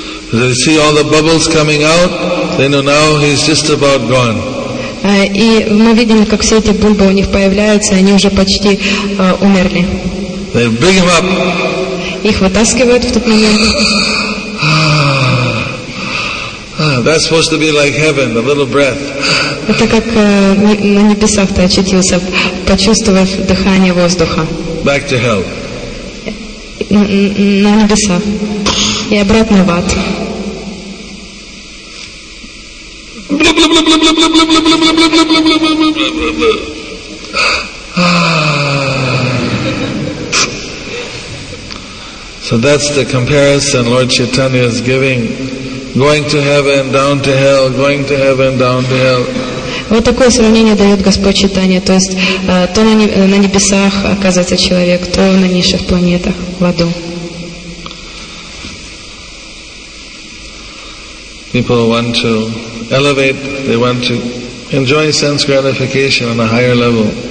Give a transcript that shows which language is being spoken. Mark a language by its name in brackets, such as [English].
[English] They see all the bubbles coming out. They know now he's just about gone. [Russian] И мы видим, как все эти бубы у них появляются, они уже почти умерли. [English] They bring him up. [Russian] Их вытаскивают в тот момент. [English] That's supposed to be like heaven, a little breath. [Russian] Это как на небесах ты очутился, почувствовав дыхание воздуха. [English] Back to hell. [Russian] На небеса. И обратно в ад. [English] So that's the comparison Lord Chaitanya is giving. Going to heaven, down to hell, going to heaven, down to hell. [Russian] Вот такое сравнение дает Господь Читания. То есть то на небесах оказывается человек, то на низших планетах, в аду. [English] People want to elevate, they want to enjoy sense gratification on a higher level.